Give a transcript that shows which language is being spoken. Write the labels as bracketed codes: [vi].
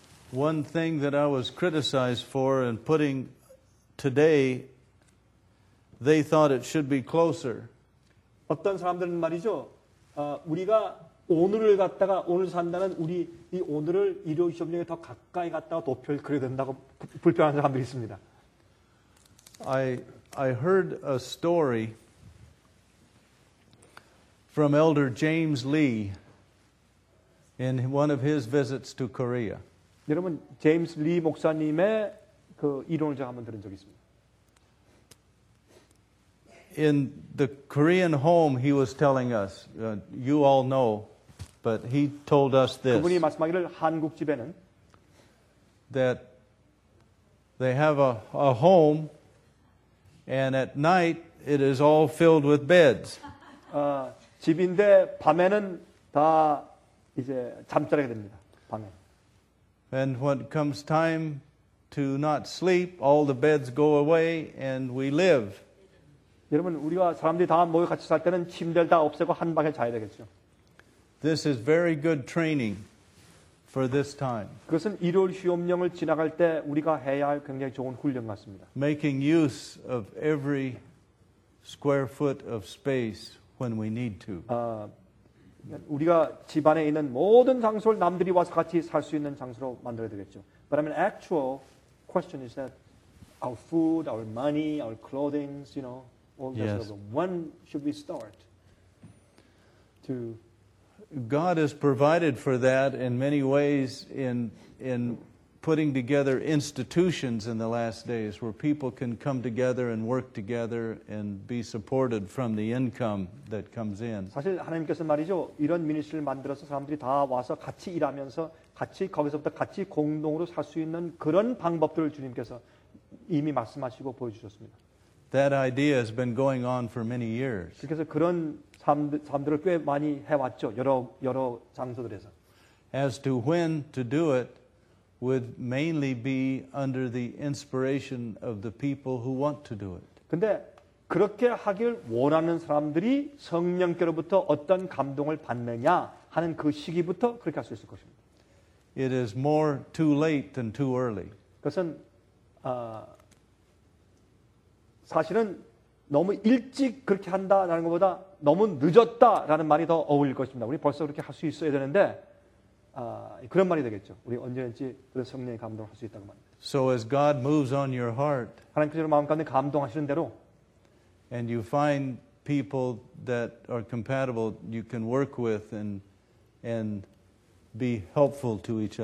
[en] One thing that I was criticized for in putting today, they thought it should be closer. [ko] 어떤 사람들은 말이죠, 우리가 오늘을 갔다가 오늘 산다는 우리 이 오늘을 이러이 협력에 더 가까이 갔다가 도표를 그려야 된다고 불평하는 사람들이 있습니다. [en] I heard a story from Elder James Lee in one of his visits to Korea. [ko] 여러분, 제임스 리 목사님의 그 이론을 제가 한번 들은 적이 있습니다. [en] In the Korean home, he was telling us, you all know, but he told us this. [ko] 그분이 말씀하기를 한국 집에는 [en] that they have a home and at night it is all filled with beds. [ko] 집인데 밤에는 다 이제 잠자리가 됩니다. 밤에. [en] And when it comes time to not sleep, all the beds go away and we live. [ko] 여러분, 우리가 사람들이 다 모여 같이 살 때는 침대를 다 없애고 한 방에 자야 되겠죠. [en] This is very good training for this time. [ko] 그것은 일요일 휴업령을 지나갈 때 우리가 해야 할 굉장히 좋은 훈련 같습니다. [en] Making use of every square foot of space when we need to. [ko] 우리가 집 안에 있는 모든 장소를 남들이 와서 같이 살 수 있는 장소로 만들어야 되겠죠. [en] But I mean, actual question is that our food, our money, our clothing, you know, all that yes. sort of, when should we start to... God has provided for that in many ways in putting together institutions in the last days where people can come together and work together and be supported from the income that comes in. [ko] 사실 하나님께서 말이죠. 이런 미니스트리를 만들어서 사람들이 다 와서 같이 일하면서 같이 거기서부터 같이 공동으로 살 수 있는 그런 방법들을 주님께서 이미 말씀하시고 보여주셨습니다. [en] That idea has been going on for many years. [ko] 그래서 그런 사람들을 꽤 많이 해왔죠. 여러 장소들에서. [en] As to when to do it, would mainly be under the inspiration of the people who want to do it. [ko] 근데 그렇게 하길 원하는 사람들이 성령께로부터 어떤 감동을 받느냐 하는 그 시기부터 그렇게 할 수 있을 것입니다. [en] It is more too late than too early. [ko] 그것은 사실은 너무 일찍 그렇게 한다라는 것보다 너무 늦었다라는 말이 더 어울릴 것입니다. 우리 벌써 그렇게 할 수 있어야 되는데 그런 말이 되겠죠. 우리 언제든지 그런 성령의 감동할 수 있다고 말합니다. [en] So as God moves on your heart, [ko] 하나님께서 마음 가운데 감동하시는 대로, [en] and you find people that are compatible, you can work with and be helpful to each other.